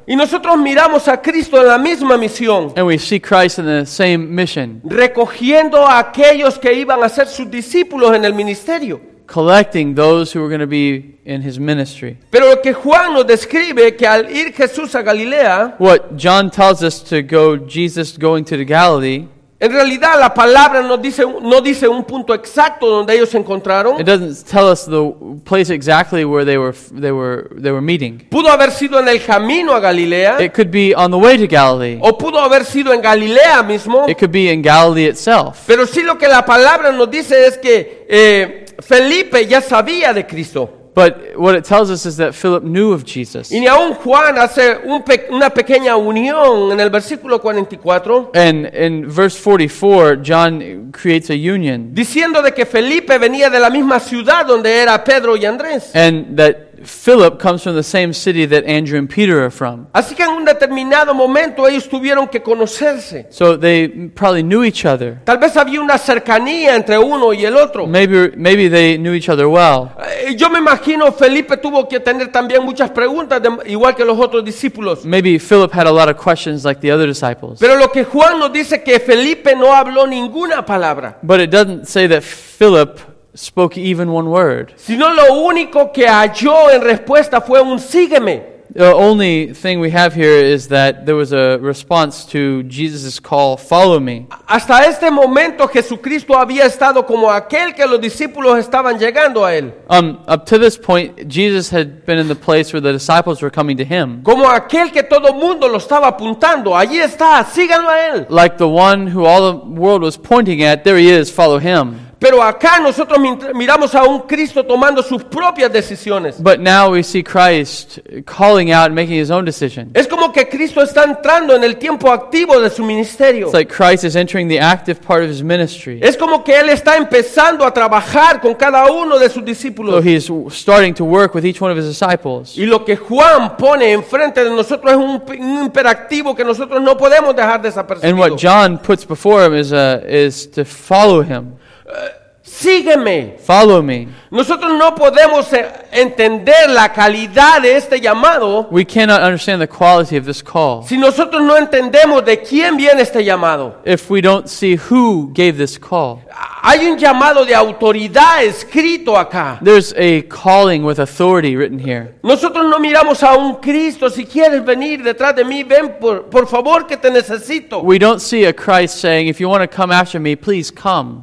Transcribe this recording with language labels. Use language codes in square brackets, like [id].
[es] Y nosotros miramos a Cristo en la misma misión. [en] And we see Christ in the same mission. [es] Recogiendo a aquellos que iban a ser sus discípulos en el ministerio. [en] Collecting those who were going to be in his ministry. [es] Pero lo que Juan nos describe que al ir Jesús a Galilea, [en] what John tells us to go, Jesus going to the Galilee. [es] En realidad, la palabra no dice un punto exacto donde ellos se encontraron. [en] It doesn't tell us the place exactly where they were meeting. [es] Pudo haber sido en el camino a Galilea. [en] It could be on the way to Galilee. [es] O pudo haber sido en Galilea mismo. [en] It could be in Galilee itself. [es] Pero sí, lo que la palabra nos dice es que Felipe ya sabía de Cristo. [en] But what it tells us is that Philip knew of Jesus. [es] Y ni aun Juan hace una pequeña unión en el versículo 44. [en] And in verse 44, John creates a union. [es] Diciendo de que Felipe venía de la misma ciudad donde era Pedro y Andrés. [en] And that Philip comes from the same city that Andrew and Peter are from. [es] Así que en un determinado momento ellos tuvieron que conocerse. [en] So they probably knew each other. [es] Tal vez había una cercanía entre uno y el otro. [en] Maybe they knew each other well. [es] Yo me imagino Felipe tuvo que tener también muchas preguntas, igual que los otros discípulos. [en] Maybe Philip had a lot of questions like the other disciples. [es] Pero lo que Juan nos dice que Felipe no habló ninguna palabra. [en] But it doesn't say that Philip spoke even one word. [es] Sino lo único que halló en respuesta fue un sígueme. [en] The only thing we have here is that there was a response to Jesus' call, follow me. [es] Hasta este momento Jesucristo había estado como aquel que los discípulos estaban llegando a él. [en] Up to this point, Jesus had been in the place where the disciples were coming to him. [es] Como aquel que todo mundo lo estaba apuntando, allí está, síganlo a él. [en] Like the one who all the world was pointing at, there he is, follow him. [es] Pero acá nosotros miramos a un Cristo tomando sus propias decisiones. [en] But now we see Christ calling out and making his own decisions. [es] Es como que Cristo está entrando en el tiempo activo de su ministerio. [en] It's like Christ is entering the active part of his ministry. [es] Es como que él está empezando a trabajar con cada uno de sus discípulos. [en] So he's starting to work with each one of his disciples. [es] Y lo que Juan pone enfrente de nosotros es un imperativo que nosotros no podemos dejar desapercibido. [en] And what John puts before him is to follow him. [es] Sígueme. [en] Follow me. [es] Nosotros no podemos entender la calidad de este llamado. [en] We cannot understand the quality of this call. [es] Si nosotros no entendemos de quién viene este llamado. [en] If we don't see who gave this call. [es] Hay un llamado de autoridad escrito acá. [en] There's a calling with authority written here. [es] Nosotros no miramos a un Cristo, si quieres venir detrás de mí, ven por favor que te necesito. [en] We don't see a Christ saying, if you want to come after me, please come.